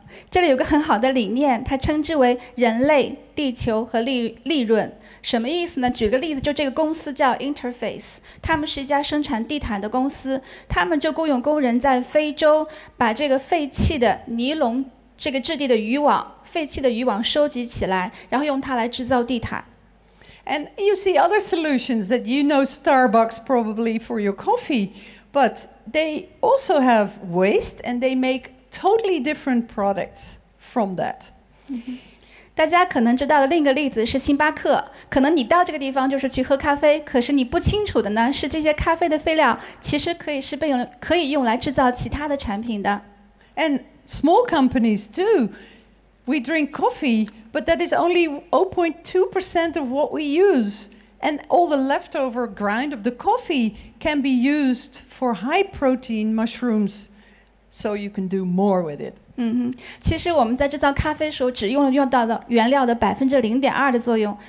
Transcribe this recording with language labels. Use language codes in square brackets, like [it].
[zh] 这里有个很好的理念，它称之为人类、地球和利润。什么意思呢？举个例子，就这个公司叫 Interface， 他们是一家生产地毯的公司，他们就雇佣工人在非洲把这个废弃的尼龙这个质地的渔网，废弃的渔网收集起来，然后用它来制造地毯。 [en] And you see other solutions that you know Starbucks probably for your coffee, but they also have waste and they make totally different products from that. [zh] 大家可能知道的另一个例子是星巴克，可能你到这个地方就是去喝咖啡，可是你不清楚的呢，是这些咖啡的废料其实可以用来制造其他的产品的。 [en] And small companies too. We drink coffee, but that is only 0.2% of what we use. And all the leftover grind of the coffee can be used for high protein mushrooms, so you can do more with it. [zh] 其实我们在制造咖啡时候只用到了原料的0.2%的作用。